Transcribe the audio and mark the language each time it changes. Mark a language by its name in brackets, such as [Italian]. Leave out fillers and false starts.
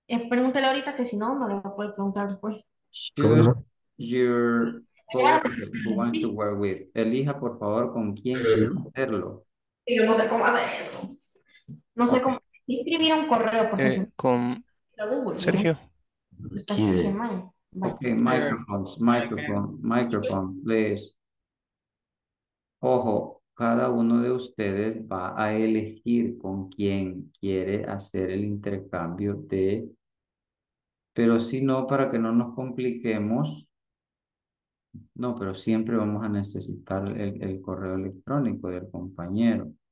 [Spanish] pregúntale ahorita que si no, no le va a poder preguntar después. [English] Choose your partner who wants to work with. [Spanish] Elija, por favor, con quién quiere hacerlo. Yo no sé cómo hacerlo. No sé cómo escribir un correo, por ejemplo. Con Sergio. [English] Okay, microphone, please. Ojo. [Spanish] Cada uno de ustedes va a elegir con quién quiere hacer el intercambio de, pero si no, para que no nos compliquemos, no, pero siempre vamos a necesitar el correo electrónico del compañero.